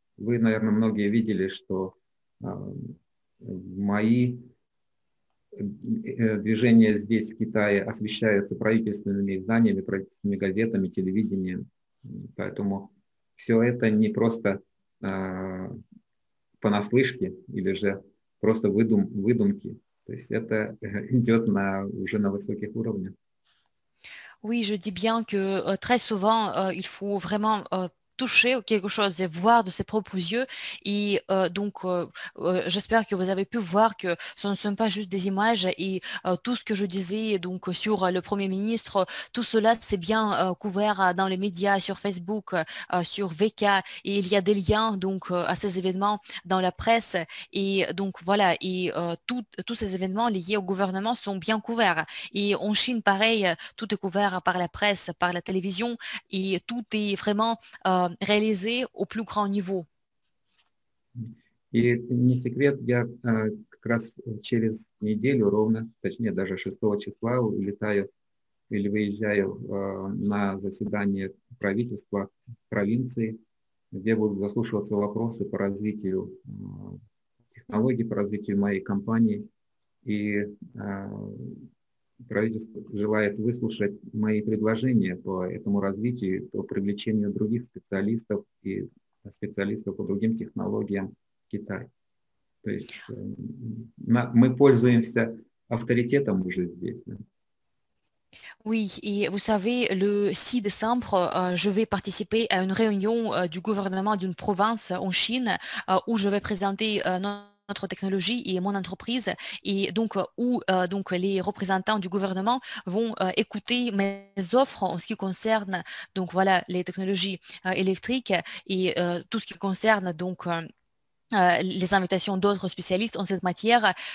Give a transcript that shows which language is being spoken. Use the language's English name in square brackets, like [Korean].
[Russian] Вы, наверное, многие видели, что мои движения здесь, в Китае, освещаются правительственными изданиями, правительственными газетами, телевидением. Поэтому все это не просто понаслышке или же просто выдумки. То есть это идет уже на высоких уровнях. [French] Oui, je dis bien que très souvent, il faut vraiment toucher quelque chose et voir de ses propres yeux. Et j'espère que vous avez pu voir que ce ne sont pas juste des images. Et tout ce que je disais donc, sur le Premier ministre, tout cela, c'est bien couvert dans les médias, sur Facebook, sur VK. Et il y a des liens donc, à ces événements dans la presse. Et donc, voilà. Et tous ces événements liés au gouvernement sont bien couverts. Et en Chine, pareil, tout est couvert par la presse, par la télévision. Et tout est vraiment реализуй у плюс гран ниву. [Russian] И не секрет, я как раз через неделю ровно, точнее даже 6 числа улетаю или выезжаю на заседание правительства провинции, где будут заслушиваться вопросы по развитию технологий, по развитию моей компании. И правительство желает выслушать мои предложения по этому развитию, по привлечению других специалистов и специалистов по другим технологиям в Китай. То есть мы пользуемся авторитетом уже здесь. Да? [French] Oui, et vous savez, le 6 décembre, je vais participer à une réunion du gouvernement d'une province en Chine où je vais présenter notre technologie et mon entreprise, et donc où les représentants du gouvernement vont écouter mes offres en ce qui concerne donc voilà les technologies électriques et tout ce qui concerne donc les invitations d'autres spécialistes en cette matière.